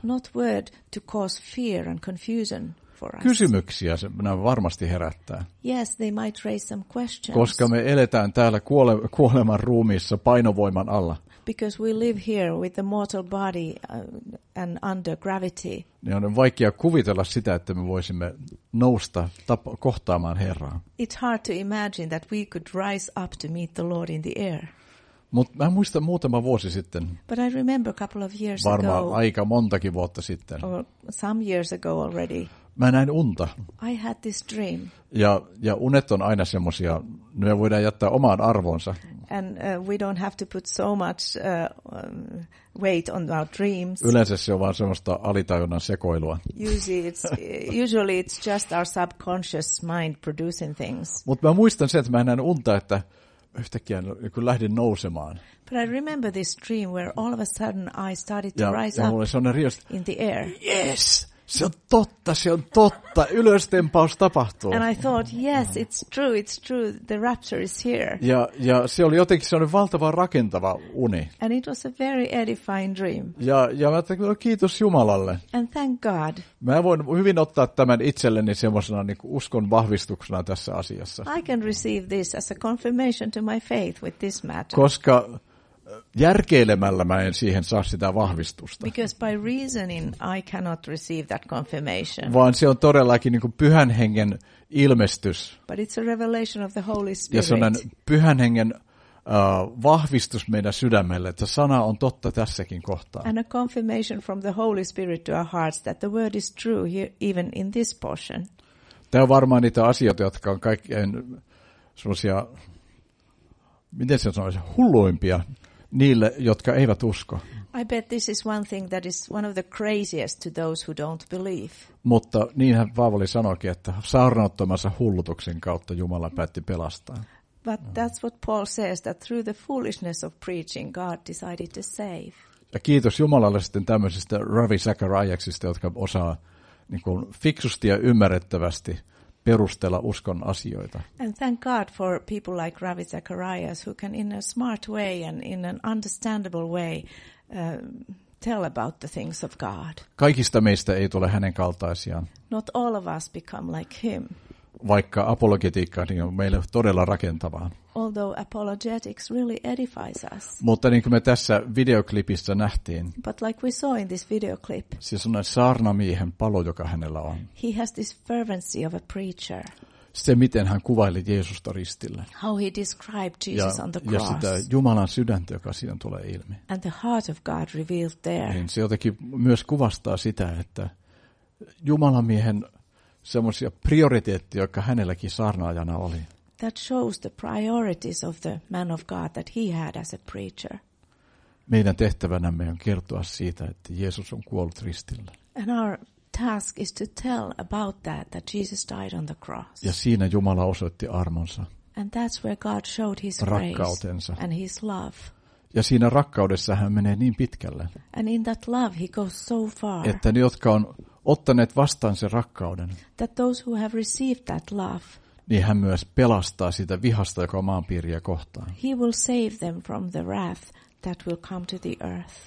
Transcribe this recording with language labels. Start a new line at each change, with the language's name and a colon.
English: Not word to cause fear and confusion for us.
Finnish: Kysymyksiä se varmasti herättää.
English: Yes, they might raise some questions.
Finnish: Koska me eletään täällä kuoleman ruumiissa painovoiman alla.
English: Because we live here with the mortal body and under gravity.
Finnish: Niin on vaikea kuvitella sitä, että me voisimme nousta kohtaamaan Herraa.
English: It's hard to imagine that we could rise up to meet the Lord in the air.
Finnish: Mut mä muistan muutama vuosi sitten.
English: But I remember a couple of years ago.
Finnish: Varmaan aika montakin vuotta sitten.
English: Or some years ago already.
Finnish: Mä näin unta.
English: I had this dream.
Finnish: Ja unet on aina semmoisia, ne voidaan jättää omaan arvoonsa.
English: And we don't have to put so much weight on our dreams.
Finnish: Yleensä se on vaan semmoista alitajunnan sekoilua.
English: Usually it's just our subconscious mind producing things.
Finnish: Mut mä muistan sen, että mä näin unta, että yhtäkkiä kun lähdin nousemaan.
English: But I remember this dream where all of a sudden I started to rise up in the air. Yes!
Finnish: Se on totta, se on totta. Ylöstempaus tapahtuu.
English: And I thought, yes, it's true, the rapture is here.
Finnish: Ja se oli jotenkin sellainen valtava rakentava uni.
English: And it was a very edifying dream.
Finnish: Ja mä ajattelin, kiitos Jumalalle.
English: And thank God.
Finnish: Mä voin hyvin ottaa tämän itselleni semmoisena niin kuin uskon vahvistuksena tässä asiassa.
English: I can receive this as a confirmation to my faith with this matter.
Finnish: Koska järkeilemällä mä en siihen saa sitä vahvistusta.
English: Because by reasoning I cannot receive that confirmation.
Finnish: Vaan se on todellakin niin kuin Pyhän Hengen ilmestys.
English: But it's a revelation of the Holy Spirit.
Finnish: Ja se on Pyhän Hengen vahvistus meidän sydämelle, että sana on totta tässäkin kohtaa.
English: And a confirmation from the Holy Spirit to our hearts that the word is true here, even in this portion.
Finnish: Tämä on varmaan niitä asioita, jotka on kaikkein semmoisia, miten se sanoisi, hulluimpia. Niille, jotka eivät usko.
English: I bet this is one thing that is one of the craziest to those who don't believe.
Finnish: Mutta niinhän Paavali sanoikin, että saarnaottomansa hullutuksen kautta Jumala päätti pelastaa.
English: But that's what Paul says, that through the foolishness of preaching, God decided to save.
Finnish: Ja kiitos Jumalalle sitten tämmöisistä Ravi Zachariasista, jotka osaa niin kuin fiksusti ja ymmärrettävästi perustella uskon asioita.
English: And thank God for people like Ravi Zacharias who can in a smart way and in an understandable way tell about the things of God.
Finnish: Kaikista meistä ei tule hänen kaltaisiaan.
English: Not all of us become like him.
Finnish: Vaikka apologetiikka niin on meille todella rakentavaa.
English: Although apologetics really edifies us.
Finnish: Mutta niin kuin me tässä videoklipissä nähtiin.
English: But like we saw in this video clip.
Finnish: Siis on näin saarnamiehen palo, joka hänellä on.
English: He has this fervency of a preacher.
Finnish: Se, miten hän kuvaili Jeesusta ristillä.
English: How he described Jesus
Finnish: ja,
English: on the cross.
Finnish: Ja sitä Jumalan sydäntä, joka siinä tulee ilmi.
English: And the heart of God revealed there.
Finnish: Niin se jotenkin myös kuvastaa sitä, että Jumalan miehen semmoisia prioriteetteja, jotka hänelläkin saarnaajana oli.
English: That shows the priorities of the man of God that he had as a preacher.
Finnish: Meidän tehtävänämme on kertoa siitä, että Jeesus on kuollut ristillä.
English: And our task is to tell about that Jesus died on the cross.
Finnish: Ja siinä Jumala osoitti armonsa.
English: And that's where God showed his
Finnish: rakkautensa.
English: Grace and his love.
Finnish: Ja siinä rakkaudessa hän menee niin pitkälle.
English: And in that love he goes so far.
Finnish: Että ne, jotka on ottaneet vastaan sen rakkauden.
English: That those who have received that love.
Finnish: niin hän myös pelastaa sitä vihasta, joka on maanpiiriä kohtaan.
English: He will save them from the wrath that will come to the earth.